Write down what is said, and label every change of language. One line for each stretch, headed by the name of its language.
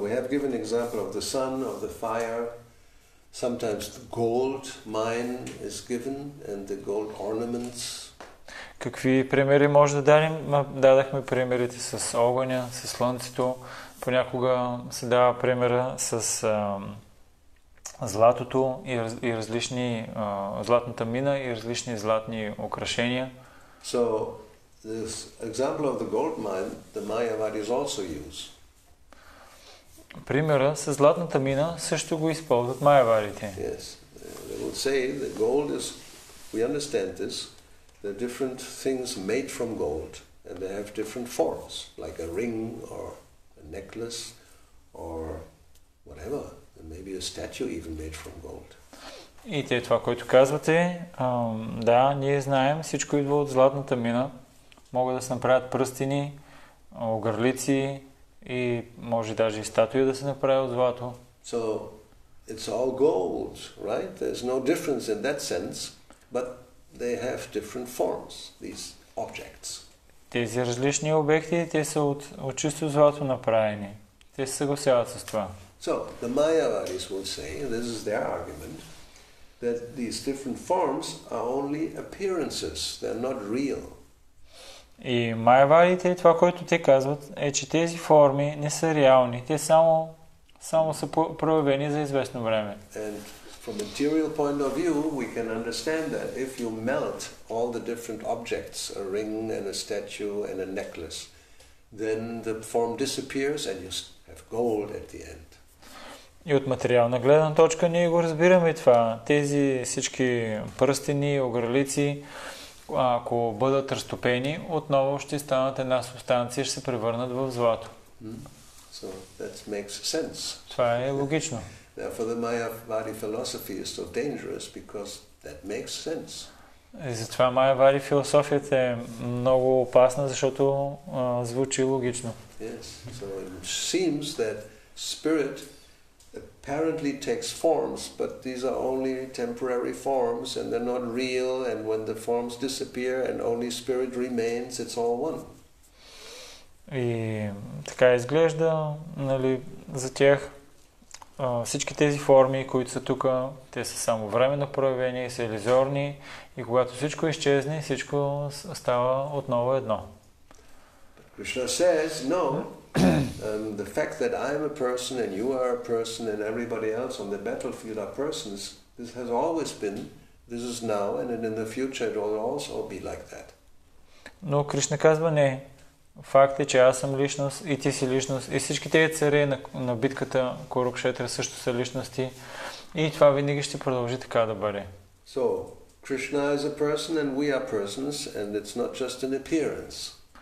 English: We have given example of the sun, of the fire. Sometimes the gold mine is given and the gold ornaments.
Bulgarian: Какви примери може да дадем? Дадахме примерите с огъня, с слънцето. Понякога се дава примера с златото и различни златната мина и различни златни украшения.
English: So this example of the gold mine, the Mayavadis also use.
Bulgarian: Примера с златната мина също го използват майявадите.
English: Yes. They would say that gold is, we understand this, the different things made from gold and they have different forms, like a ring or necklace or whatever, and maybe a statue even made from gold.
Bulgarian: И те това, което казвате, да, ние знаем, всичко идва от златната мина. Могат да се направят пръстени, огърлици и може даже и статуя да се направи от злато.
English: So it's all gold, right? There's no difference in that sense, but they have different forms, these objects.
Bulgarian: Тези различни обекти, те са от чисто злато направени. Те се съгласяват с това.
English: So, the Mayavadis will say, this is their argument, that these different forms are only appearances, they're not real.
Bulgarian: И Mayavadите, това, което те казват, е, че тези форми не са реални. Те само са проявени за известно време.
English: And from a material point of view, we can understand that if you melt all the different objects, a ring and a statue and a necklace, then the form disappears and you have gold at the end.
Bulgarian: И от материална гледна точка ние го разбираме това. Тези всички пръстени, огърлици, ако бъдат разтопени, отново ще станат една субстанция и ще се превърнат в злато.
English: So that makes sense.
Bulgarian: Това е логично.
English: Therefore the Mayavadi philosophy is so dangerous because that makes sense.
Bulgarian: И затова Mayavadi философията е много опасна, защото звучи логично.
English: Yes. So it seems that spirit apparently takes forms, but these are only temporary forms and they're not real, and when the forms disappear and only spirit remains, it's all one.
Bulgarian: И така изглежда, нали, за тях. Всички тези форми, които са тук, те са само временно проявени, са илюзорни и когато всичко изчезне, всичко става отново едно.
English: Krishna says, no, the fact that I am a person and you are a person and everybody else on the battlefield are persons, this has always been, this is now and in the future it will also be like that.
Bulgarian: Но Кришна казва, не. Факт е, че аз съм личност и ти си личност и всички тези цари на битката Курукшетра също са личности и това винаги ще продължи така да бъде.
English: So, Krishna is a person and we are persons and it's not just an appearance.